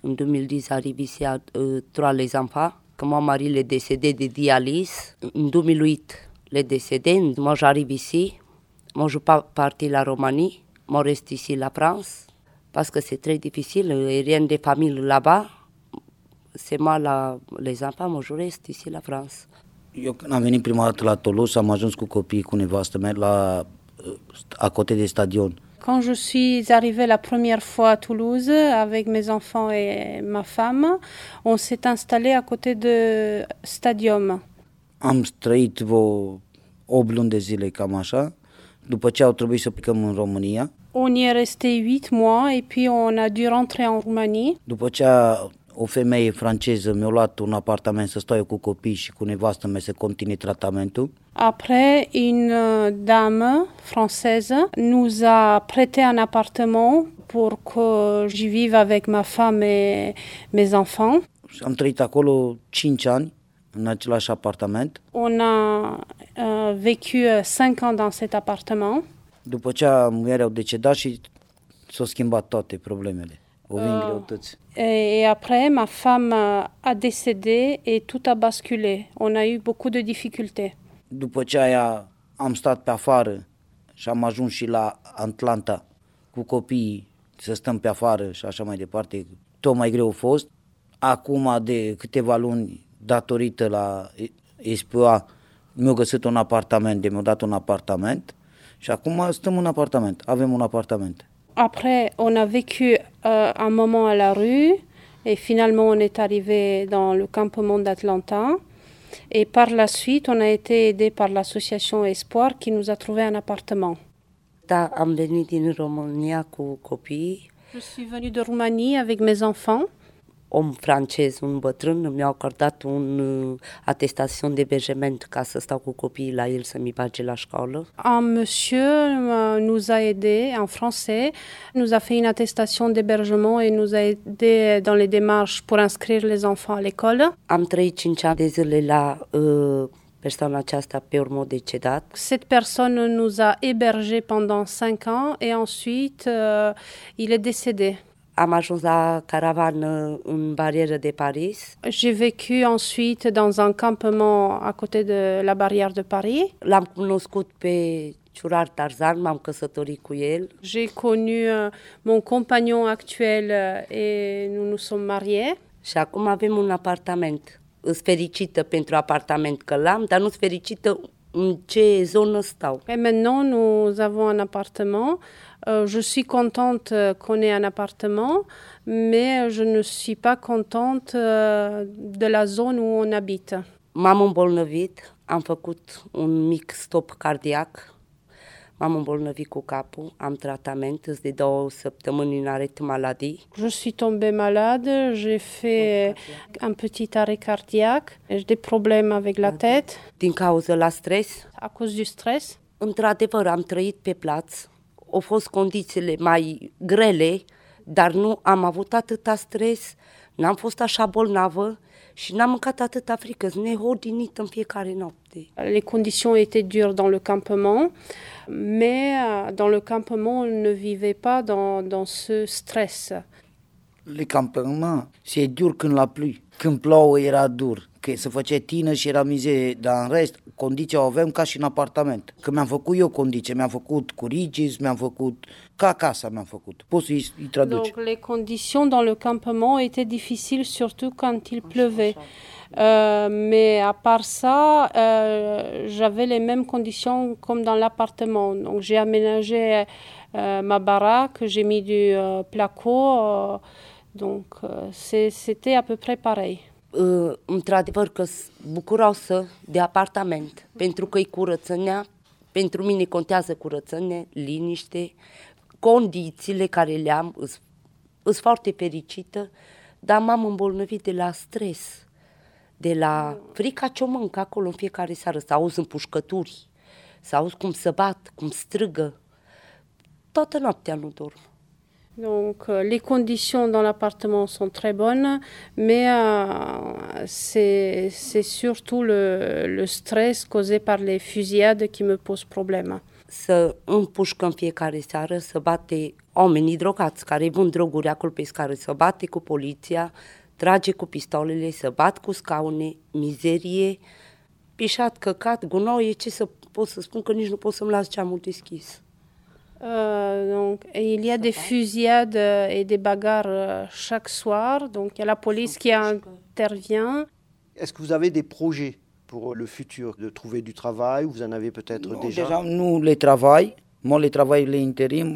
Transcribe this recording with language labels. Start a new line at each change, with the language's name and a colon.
French: En 2010, j'arrive ici à 3 les enfants. Que mon mari est décédé de dialyse. En 2008, il est décédé. Moi, j'arrive ici. Moi, je ne suis pas partie de la Roumanie. Moi, je reste ici, la France. parce que c'est très difficile, et rien des familles là-bas. C'est moi, là, les enfants, moi je reste ici, la France.
Romanian: Eu când am venit prima dată la Toulouse, am ajuns cu copii, cu nevastă mea, la
French: à côté des stadions. Quand je suis arrivée la première fois à Toulouse avec mes enfants et ma femme, on s'est installé à côté de stadium.
Romanian: Am trăit vreo 8 luni de zile cam așa, după ce au trebuit să plecăm în România.
French: On y est resté 8 mois et puis on a dû rentrer en Roumanie.
Romanian: După ce o femeie franceză mi-a luat un apartament să stau eu cu copii și cu nevastă mea să continui tratamentul.
French: Après, une dame française nous a prêté un appartement pour que j'y vive avec ma femme et mes enfants.
Romanian: Și am trăit acolo 5 ani în același apartament.
French: On a vécu 5 ans dans cet appartement.
Romanian: După ce muierea a decedat și s-au schimbat toate problemele.
French: Et après, ma femme a décédé et tout a basculé. On a eu beaucoup de difficultés.
Romanian: După ce aia, am stat pe afară și am ajuns și la Atlanta cu copiii să stăm pe afară și așa mai departe. Tot mai greu a fost. Acum, de câteva luni, datorită la SPA, mi-a găsit un apartament, de mi-a dat un apartament și acum stăm în apartament, avem un apartament.
French: Après, on a vécu un moment à la rue et finalement on est arrivé dans le campement d'Atlanta. Et par la suite, on a été aidé par l'association Espoir qui nous a trouvé un appartement.
Romanian: Da, am venit din România cu copii.
French: Je suis venue de Roumanie avec mes enfants.
Romanian: Un francez, un bătrân, mi-a acordat un atestation d'hébergement ca să stau cu copiii la el să mi bage la școală.
French: Un monsieur nous a aidé, un français, nous a fait une attestation d'hébergement et nous a aidé dans les démarches pour inscrire les enfants à l'école.
Romanian: Am trăit 5 ani de zile la persoana aceasta pe urmă decedat.
French: Cette personne nous a hébergé pendant 5 ans et ensuite il est décédé.
Romanian: Am ajuns la caravană în barieră de Paris.
French: J'ai vécu ensuite dans un campement à côté de la barrière de Paris.
Romanian: L-am cunoscut pe Ciurar Tarzan, m-am căsătorit cu el.
French: J'ai connu mon compagnon actuel et nous nous sommes mariés.
Romanian: Și acum avem un apartament. Sunt fericită pentru apartament că l-am, dar nu sunt fericită în ce zonă stau.
French: Et maintenant nous avons un appartement. Je suis contente qu'on ait un appartement, mais je ne suis pas contente de la zone où on habite.
Romanian: M-am îmbolnăvit, am făcut un mic stop cardiac, m-am îmbolnăvit cu capul, am tratament, îs de 2 săptămâni în arrêt maladie.
French: Je suis tombée malade, j'ai fait un petit arrêt cardiaque, j'ai des problèmes avec la tête.
Romanian: Din cauza la stres?
French: À cause du stress.
Romanian: Într-adevăr, am trăit pe plaț. Au fost condițiile mai grele, dar nu am avut atâta stres, n-am fost așa bolnavă și n-am mâncat atâta frică, sunt neordinită în fiecare noapte.
French: Les conditions étaient dures dans le campement, mais dans le campement on ne vivait pas dans ce stress. Le campement, c'est dur
Romanian: când
French: la pluie,
Romanian: când plouă era dur, că se făcea tină și era mizerie, dar în rest condiția o avem ca și în apartament. Că mi-am făcut eu condiții, mi-am făcut cu rigis, mi-am făcut ca acasă mi-am făcut. Poți să-i traduci?
French: Donc les conditions dans le campement étaient difficiles surtout quand il pleuvait. Mais à part ça, j'avais les mêmes conditions comme dans l'appartement. Donc j'ai aménagé ma baraque, j'ai mis du placo. Donc c'était à peu près pareil.
Romanian: Într-adevăr că bucuroasă de apartament, pentru că e curățenia, pentru mine contează curățenie, liniște, condițiile care le am, sunt foarte fericită, dar m-am îmbolnăvit de la stres, de la frica ce-o mânc acolo în fiecare seară, să auzi în pușcături, să auzi cum se bat, cum strigă, toată noaptea nu dorm.
French: Donc les conditions dans l'appartement sont très bonnes, mais c'est surtout le stress causé par les fusillades qui me pose problème.
Romanian: Să împușcă în fiecare seară, să bate oamenii drogați care vând droguri acolo pe scară, să bate cu poliția, trage cu pistolele, să bat cu scaune, mizerie, pișat, căcat, gunoi, ce să pot să spun că nici nu pot să-mi las geamul deschis.
French: Donc, et il y a des fusillades et des bagarres chaque soir. Donc, il y a la police qui intervient. Est-ce que vous avez des projets pour le futur, de trouver du travail, ou vous en avez peut-être déjà? Nous, le travail. Moi, le travail, l'intérim.